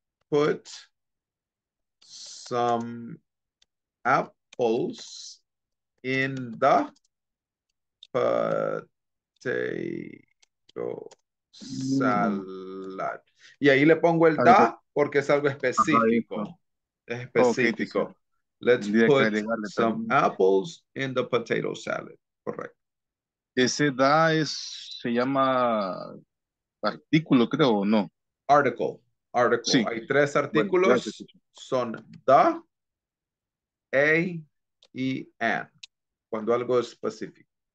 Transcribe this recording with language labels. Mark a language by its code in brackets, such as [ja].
[en] put some apples in the potato salad. [es] Y ahí le pongo el da porque es algo específico. Específico. [en] Let's put some apples in the potato salad. Correct. [es] Ese da es, se llama artículo, creo, ¿o no? [en] Article. [es] Sí. Hay tres artículos. Son da, A, E, N, cuando algo es específico.